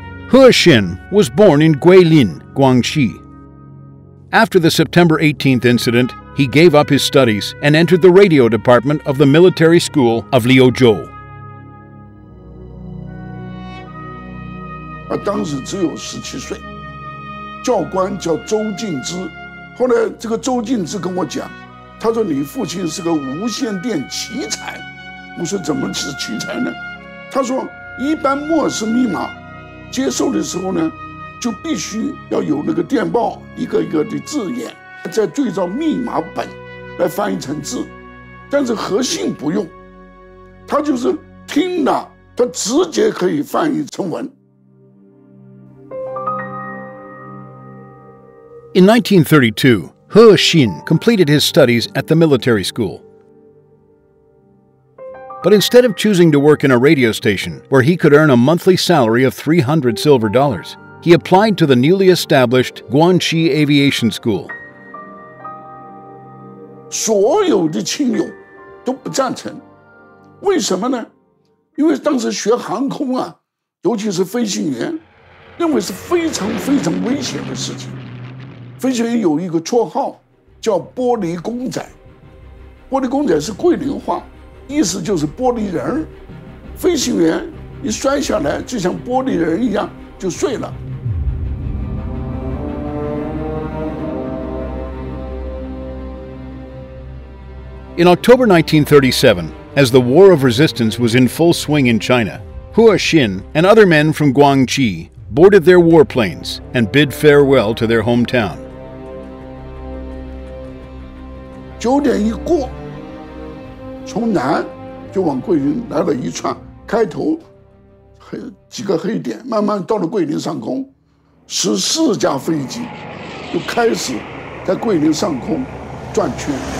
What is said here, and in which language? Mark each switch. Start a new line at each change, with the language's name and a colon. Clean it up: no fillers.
English: He Xin was born in Guilin, Guangxi. After the September 18th incident, he gave up his studies and entered the radio department of the military school of Liuzhou.
Chinese: 当时只有17岁，教官叫周静之。后来这个周静之跟我讲，他说你父亲是个无线电奇才。我说怎么是奇才呢？他说一般陌生密码接受的时候呢，就必须要有那个电报一个一个的字眼，再对照密码本来翻译成字，但是核心不用，他就是听了，他直接可以翻译成文。
English: In 1932, He Xin completed his studies at the military school. But instead of choosing to work in a radio station where he could earn a monthly salary of 300 silver dollars, he applied to the newly established Guangxi Aviation School.
Chinese: 所有的亲友都不赞成，为什么呢？因为当时学航空啊，尤其是飞行员，认为是非常非常危险的事情。飞行员有一个绰号叫玻璃公仔，玻璃公仔是桂林话，意思就是玻璃人。飞行员一摔下来就像玻璃人一样就碎了。
English: In October 1937, as the war of resistance was in full swing in China, He Xin and other men from Guangxi boarded their warplanes and bid farewell to their hometown.
Chinese: 9点一过，从南就往桂林来了一串，开头几个黑点，慢慢到了桂林上空，14架飞机就开始在桂林上空转圈。